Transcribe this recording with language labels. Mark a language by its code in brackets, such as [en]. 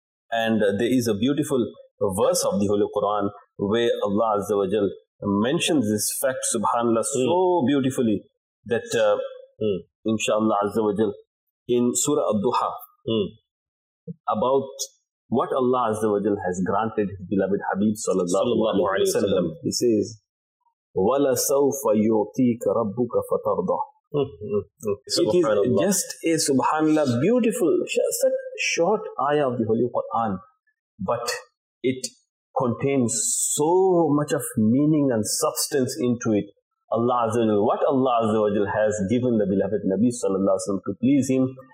[en] And there is a beautiful verse of the Holy Quran where Allah Azza wa Jal mentions this fact, subhanallah, so beautifully that inshallah Azza wa Jal in Surah Ad-Duha, about what Allah Azza wa Jal has granted his beloved Habib sallallahu alayhi wa sallam. He says, [ar] وَلَسَوْفَ يُعْتِيكَ رَبُّكَ فَتَرْضَى. [en] It is just a subhanallah, beautiful, such short ayah of the Holy Quran, but it contains so much of meaning and substance into it. Allah Azza wa Jal, what Allah Azza wa Jal has given the beloved Nabi sallallahu alayhi wa sallam to please him.